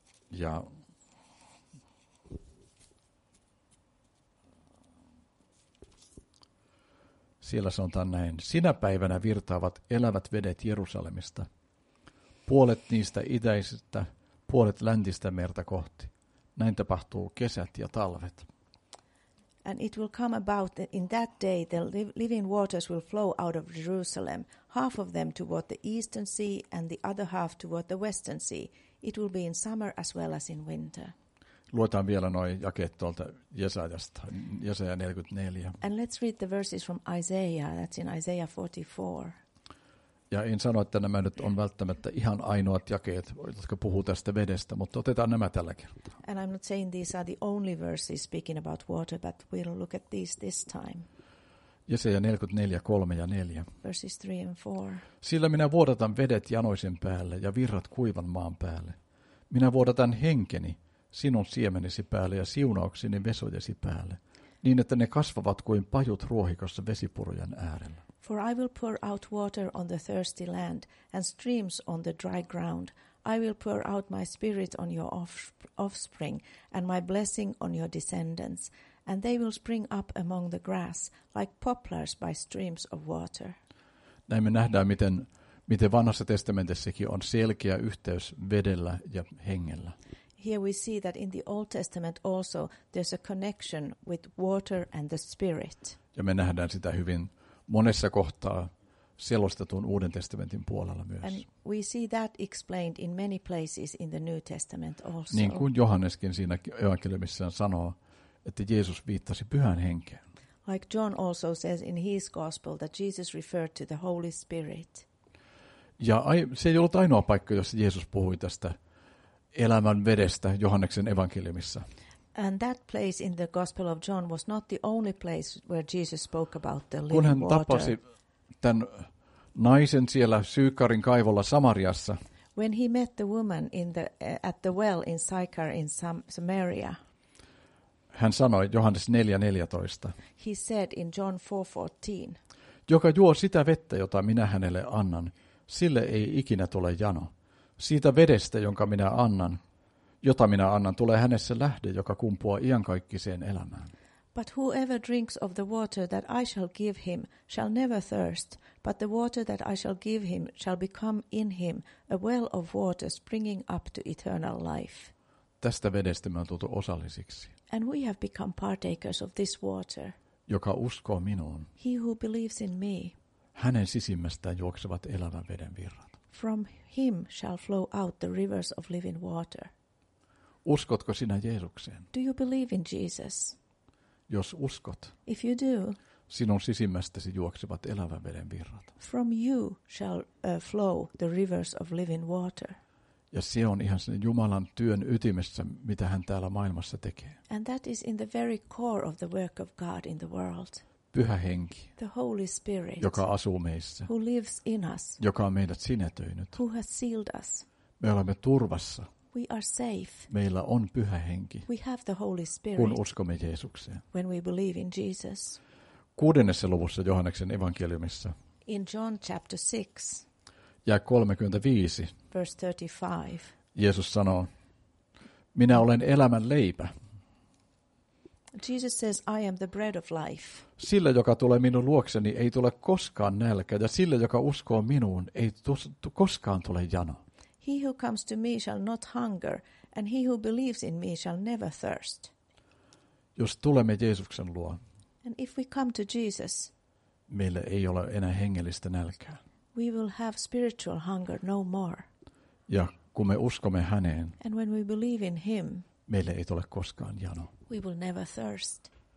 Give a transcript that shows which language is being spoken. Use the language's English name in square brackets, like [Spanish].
[Finnish] Ja siellä sanotaan näin. Sinä päivänä virtaavat elävät vedet Jerusalemista. Puolet niistä itäisistä, puolet läntistä merta kohti. Näin tapahtuu kesät ja talvet. [English] And it will come about that in that day the living waters will flow out of Jerusalem, half of them toward the eastern sea and the other half toward the western sea. It will be in summer as well as in winter. [Finnish] Luetaan vielä noin jakeet tuolta Jesajasta, Jesaja 44. [English] And let's read the verses from Isaiah, that's in Isaiah 44. [Finnish] Ja en sano, että nämä nyt on välttämättä ihan ainoat jakeet, jotka puhuu tästä vedestä, mutta otetaan nämä tällä kertaa. [English] And I'm not saying these are the only verses speaking about water, but we'll look at these this time. [Finnish] Jesaja 44, 3 ja 4. [English] Verses 3 and 4. [Finnish] Sillä minä vuodatan vedet janoisen päälle ja virrat kuivan maan päälle. Minä vuodatan henkeni sinun siemenesi päälle ja siunaukseni vesojesi päälle, niin että ne kasvavat kuin pajut ruohikossa vesipurojen äärellä. [English] For I will pour out water on the thirsty land and streams on the dry ground. I will pour out my spirit on your offspring and my blessing on your descendants. And they will spring up among the grass like poplars by streams of water. [Finnish] Näin me nähdään, miten vanhassa testamentissakin on selkeä yhteys vedellä ja hengellä. [English] Here we see that in the Old Testament also there's a connection with water and the spirit. [Finnish] Ja me nähdään sitä hyvin monessa kohtaa selostetun Uuden testamentin puolella myös. [English] And we see that explained in many places in the New Testament also. [Finnish] Niin kuin Johanneskin siinä evankeliumissaan sanoo, että Jeesus viittasi Pyhän Henkeen. [English] Like John also says in his gospel that Jesus referred to the Holy Spirit. [Finnish] Ja se ei ollut ainoa paikka, jossa Jeesus puhui tästä elämän vedestä Johanneksen evankeliumissa. [English] And that place in the Gospel of John was not the only place where Jesus spoke about the living water. [Finnish] Kun hän tapasi tämän naisen siellä Sykarin kaivolla Samariassa. [English] When he met the woman at the well in Sychar in Samaria. [Finnish] Hän sanoi Johannes 4:14. [English] He said in John 4:14. [Finnish] Joka juo sitä vettä, jota minä hänelle annan, sille ei ikinä tule jano. Siitä vedestä, jonka minä annan, jota minä annan, tulee hänessä lähde, joka kumpuaa iankaikkiseen elämään. [English] But whoever drinks of the water that I shall give him shall never thirst, but the water that I shall give him shall become in him a well of water springing up to eternal life. [Finnish] Tästä vedestä me on tultu osallisiksi. [English] And we have become partakers of this water. [Finnish] Joka uskoo minuun. [English] He who believes in me. [Finnish] Hänen sisimmästään juoksevat elävän veden virrat. [English] From him shall flow out the rivers of living water. [Finnish] Uskotko sinä Jeesukseen? [English] Do you believe in Jesus? [Finnish] Jos uskot, [English] if you do, [Finnish] sinun sisimmästäsi juoksevat elävän veden virrat. [English] From you shall flow the rivers of living water. [Finnish] Ja se on ihan sen Jumalan työn ytimessä, mitä hän täällä maailmassa tekee. [English] And that is in the very core of the work of God in the world. [Finnish] Pyhä Henki, [English] the Holy Spirit, [Finnish] joka asuu meissä, [English] who lives in us, [Finnish] joka on meidät sinetöinyt, [English] who has sealed us. [Finnish] Me olemme turvassa. [English] We are safe. [Finnish] Meillä on Pyhä Henki. [English] We have the Holy Spirit. [Finnish] Kun uskomme Jeesukseen. [English] When we believe in Jesus. [Finnish] Kuudennessa luvussa Johanneksen evankeliumissa. [English] In John chapter 6. [Finnish] Ja 35. [English] Verse 35. [Finnish] Jeesus sanoo: Minä olen elämän leipä. [English] Jesus says, I am the bread of life. [Finnish] Sillä, joka tulee minun luokseni, ei tule koskaan nälkä, ja sillä, joka uskoo minuun, ei koskaan tule jano. [English] He who comes to me shall not hunger, and he who believes in me shall never thirst. [Finnish] Jos tulemme Jeesuksen luo, [English] and if we come to Jesus, [Finnish] meillä ei ole enää hengellistä nälkää. [English] We will have spiritual hunger no more. [Finnish] Ja kun me uskomme häneen, [English] and when we believe in him, [Finnish] meillä ei tule koskaan jano. [English] We will never thirst.